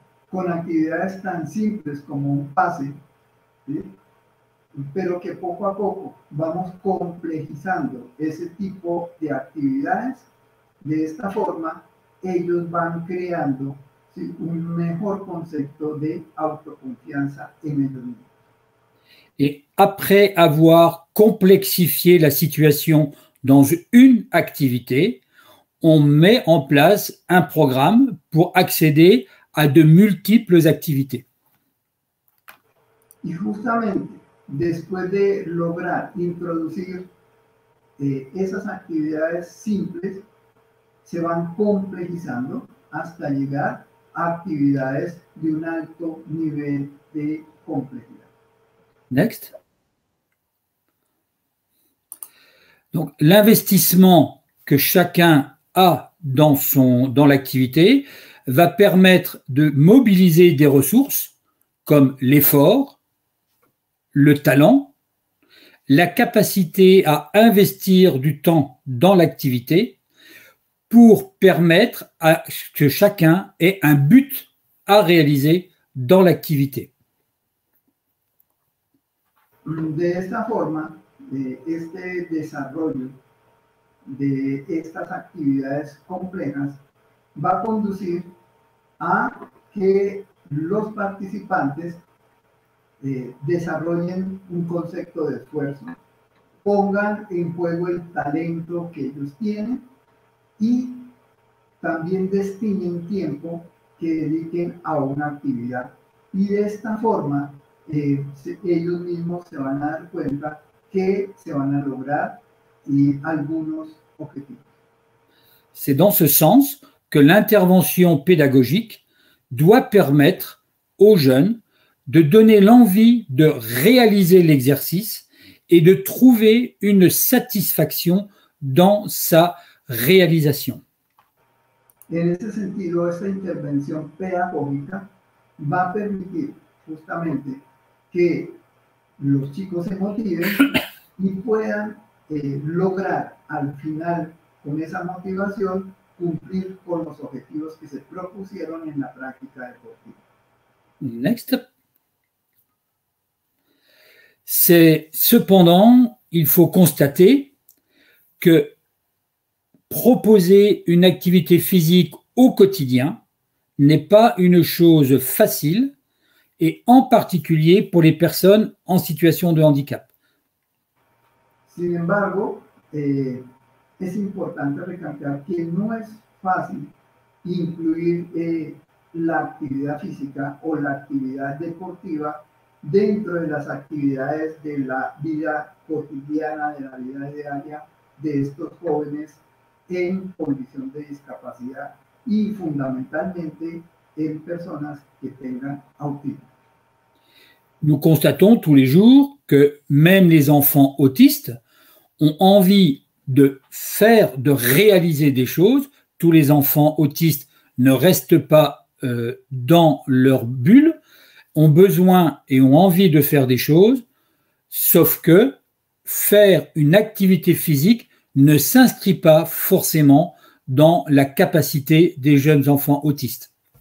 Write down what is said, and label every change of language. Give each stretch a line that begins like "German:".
Spanish: Con actividades tan simples como un pase, ¿sí? Pero que poco a poco vamos complejizando ese tipo de actividades, de esta forma ellos van creando, ¿sí?, un mejor concepto de autoconfianza en ellos mismos.
French: Et après avoir complexifié la situation dans une activité, on met en place un programme pour accéder à de multiples activités. Et justement, après
Spanish: de lograr introducir esas actividades simples, se van complejizando hasta llegar a actividades de un alto nivel de complejidad.
English: Next.
French: Donc, l'investissement que chacun a dans l'activité va permettre de mobiliser des ressources comme l'effort, le talent, la capacité à investir du temps dans l'activité pour permettre à que chacun ait un but à réaliser dans l'activité.
Spanish: De esta forma, este desarrollo de estas actividades complejas va a conducir a que los participantes desarrollen un concepto de esfuerzo, pongan en juego el talento que ellos tienen y también destinen tiempo que dediquen a una actividad. Y de esta forma, ellos mismos se van a dar cuenta que se van a lograr algunos objetivos.
French: C'est dans ce sens que l'intervention pédagogique doit permettre aux jeunes de donner l'envie de réaliser l'exercice et de trouver une satisfaction dans sa réalisation.
Spanish: En ese sentido, esta intervención pedagógica va a permitir justamente que los chicos se motiven y puedan lograr al final con esa motivación cumplir con los objetivos que se propusieron en la práctica deportiva.
English: Next.
French: Cependant, il faut constater que proposer une activité physique au quotidien n'est pas une chose facile, et en particulier pour les personnes en situation de handicap.
Spanish: Sin embargo, es importante recalcar que no es fácil incluir la actividad física o la actividad deportiva dentro de las actividades de la vida cotidiana, de la vida diaria de estos jóvenes en condición de discapacidad y fundamentalmente en personas que tengan autismo.
French: Nous constatons tous les jours que même les enfants autistes ont envie de faire, de réaliser des choses. Tous les enfants autistes ne restent pas dans leur bulle, ont besoin et ont envie de faire des choses, sauf que faire une activité physique ne s'inscrit pas forcément dans la capacité des jeunes enfants autistes.